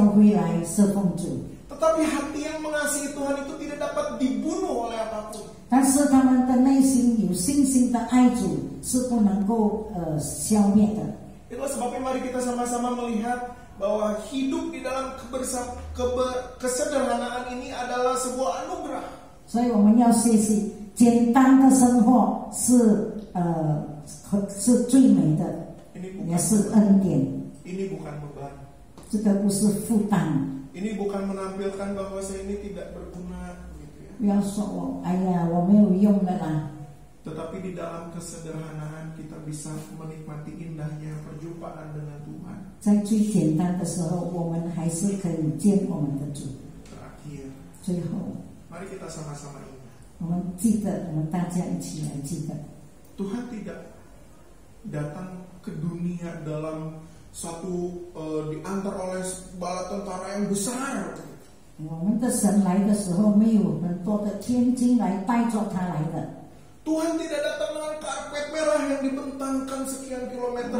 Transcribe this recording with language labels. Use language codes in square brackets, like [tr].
[zh] 有些弟兄姐妹在家里身体很软弱，不能到教会来侍奉主。 [id] Tetapi hati yang mengasihi Tuhan itu tidak dapat dibunuh oleh apapun. [zh] 但是他们的内心有信心的爱主是不能够消灭的。 [id] Itulah sebabnya mari kita sama-sama melihat bahwa hidup di dalam kesederhanaan ini adalah sebuah anugerah. [zh] 所以我们要学习简单的生活是最美的。也是恩典. [id] Ini bukan beban. [zh] 这个不是负担. [id] Ini bukan menampilkan bahwa saya ini tidak berguna. [zh] Ya,说我哎呀，我没有用的啦. [id] Tetapi di dalam kesederhanaan kita bisa menikmati indahnya perjumpaan dengan Tuhan. [zh] 在最简单的时候，我们还是可以见我们的主. [id] Terakhir， [zh] 最后. [id] Mari kita sama-sama ingat. [zh] 我们记得，我们大家一起来记得. [id] Tuhan tidak datang ke dunia dalam satu diantar oleh bala tentara yang besar. Tuhan tidak datang dengan karpet merah yang dibentangkan sekian kilometer